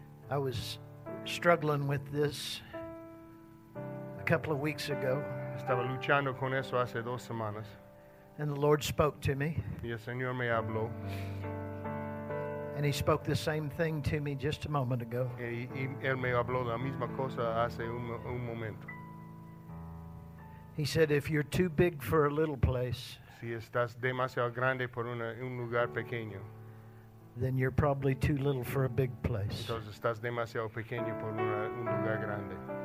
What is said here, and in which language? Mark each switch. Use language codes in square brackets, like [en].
[en] I was struggling with this a couple of weeks ago. [es] Estaba luchando con eso hace dos semanas. [en] And the Lord spoke to me. [es] Y el Señor me habló. [en] And he spoke the same thing to me just a moment ago. [es] Y él me habló la misma cosa hace un momento. [en] He said, if you're too big for a little place, [es] si estás demasiado grande por un lugar pequeño, [en] then you're probably too little for a big place. [es] Entonces estás demasiado pequeño por un lugar grande.